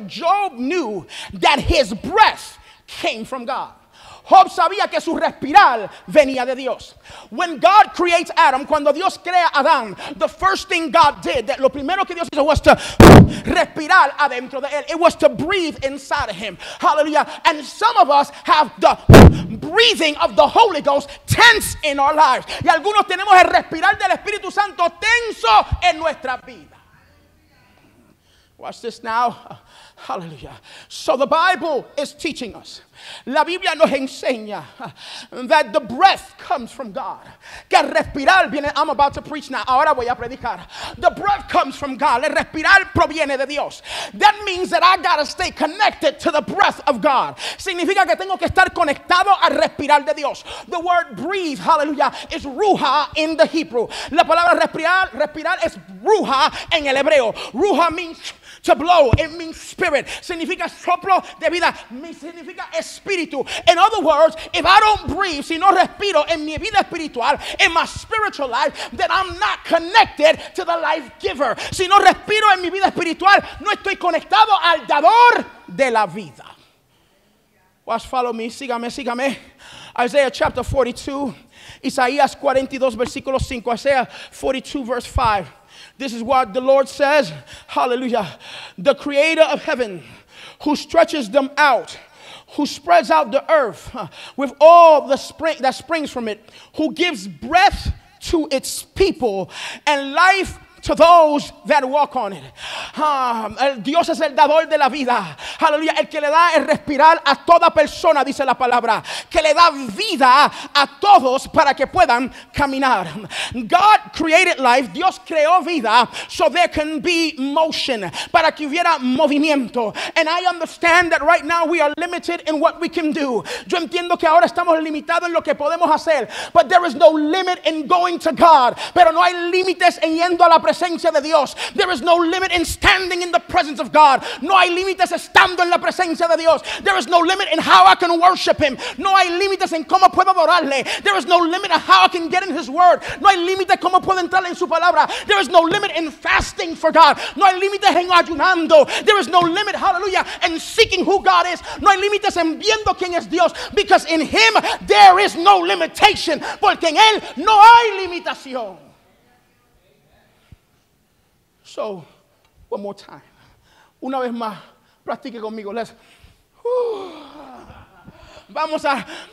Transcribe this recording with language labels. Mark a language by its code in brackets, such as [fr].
[en] Job knew that his breath came from God. [es] Job sabía que su respirar venía de Dios. [en] When God creates Adam, [es] cuando Dios crea a Adán, [en] the first thing God did, that [es] lo primero que Dios hizo [en] was to [es] respirar adentro de él. [en] It was to breathe inside of him. Hallelujah. And some of us have the breathing of the Holy Ghost tense in our lives. [es] Y algunos tenemos el respirar del Espíritu Santo tenso en nuestra vida. [en] Watch this now. Hallelujah. So the Bible is teaching us. [es] La Biblia nos enseña [en] that the breath comes from God. [es] Que el respirar viene. [en] I'm about to preach now. [es] Ahora voy a predicar. [en] The breath comes from God. [es] El respirar proviene de Dios. [en] That means that I gotta stay connected to the breath of God. [es] Significa que tengo que estar conectado al respirar de Dios. [en] The word breathe, hallelujah, is ruha in the Hebrew. [es] La palabra respirar es ruha en el hebreo. [en] Ruha means to blow. It means spirit. [es] Significa soplo de vida. Significa espíritu. [en] In other words, if I don't breathe, [es] si no respiro en mi vida espiritual, [en] in my spiritual life, then I'm not connected to the life giver. [es] Si no respiro en mi vida espiritual, no estoy conectado al dador de la vida. [en] Watch, follow me. [es] Sígame, sígame. [en] Isaiah chapter 42. [es] Isaías 42, versículo 5. [en] Isaiah 42, verse 5. This is what the Lord says, hallelujah, the creator of heaven, who stretches them out, who spreads out the earth with all the spring that springs from it, who gives breath to its people and life to those that walk on it. [es] Dios es el dador de la vida. Aleluya. El que le da el respirar a toda persona, dice la palabra. Que le da vida a todos para que puedan caminar. [en] God created life. [es] Dios creó vida. [en] So there can be motion. [es] Para que hubiera movimiento. [en] And I understand that right now we are limited in what we can do. [es] Yo entiendo que ahora estamos limitados en lo que podemos hacer. [en] But there is no limit in going to God. [es] Pero no hay límites en yendo a la presencia. De Dios. [en] There is no limit in standing in the presence of God. [es] No hay límites estando en la presencia de Dios. [en] There is no limit in how I can worship Him. [es] No hay límites en cómo puedo adorarle. [en] There is no limit in how I can get in His Word. [es] No hay límite cómo puedo entrar en su palabra. [en] There is no limit in fasting for God. [es] No hay límite en ayunando. [en] There is no limit, hallelujah, in seeking who God is. [es] No hay límites en viendo quién es Dios. [en] Because in Him there is no limitation. [es] Porque en Él no hay limitación. [en] So, one more time. [es] Una vez más, practique conmigo. [en] Let's. [es] Vamos a